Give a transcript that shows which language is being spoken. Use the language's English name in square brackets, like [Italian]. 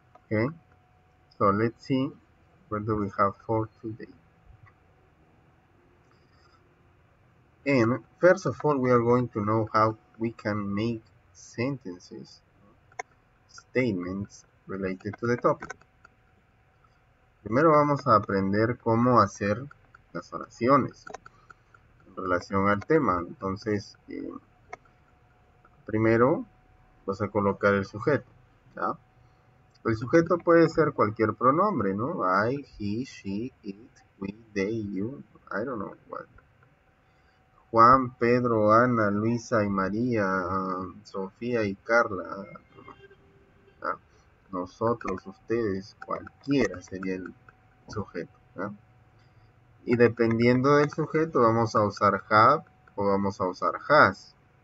[English] Okay, so let's see what do we have for today. And first of all, we are going to know how we can make sentences, statements related to the topic. [Spanish] Primero vamos a aprender cómo hacer las oraciones en relación al tema. Entonces, primero vas a colocar el sujeto, ¿ya? El sujeto puede ser cualquier pronombre, ¿no? [English] I, he, she, it, we, they, you, I don't know what. [Spanish] Juan, Pedro, Ana, Luisa y María, Sofía y Carla, nosotros, ustedes, cualquiera sería el sujeto, ¿no? Y dependiendo del sujeto, vamos a usar have o vamos a usar has.